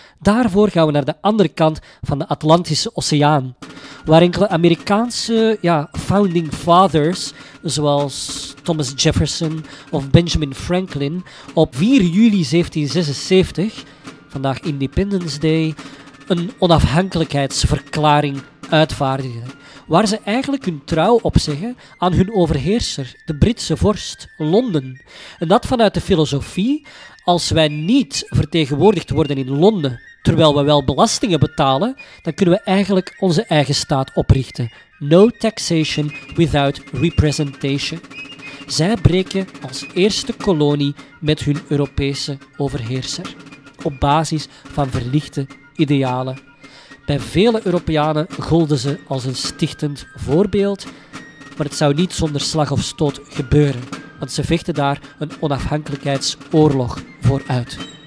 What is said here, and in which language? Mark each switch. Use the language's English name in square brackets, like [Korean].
[Dutch] Daarvoor gaan we naar de andere kant van de Atlantische Oceaan, waar enkele Amerikaanse founding fathers, zoals Thomas Jefferson of Benjamin Franklin, op 4 juli 1776, vandaag Independence Day, een onafhankelijkheidsverklaring uitvaardigen, waar ze eigenlijk hun trouw opzeggen aan hun overheerser, de Britse vorst, Londen. En dat vanuit de filosofie, als wij niet vertegenwoordigd worden in Londen, terwijl we wel belastingen betalen, dan kunnen we eigenlijk onze eigen staat oprichten. [English] No taxation without representation. [Dutch] Zij breken als eerste kolonie met hun Europese overheerser, op basis van verlichte idealen. Bij vele Europeanen golden ze als een stichtend voorbeeld, maar het zou niet zonder slag of stoot gebeuren, want ze vechten daar een onafhankelijkheidsoorlog voor uit.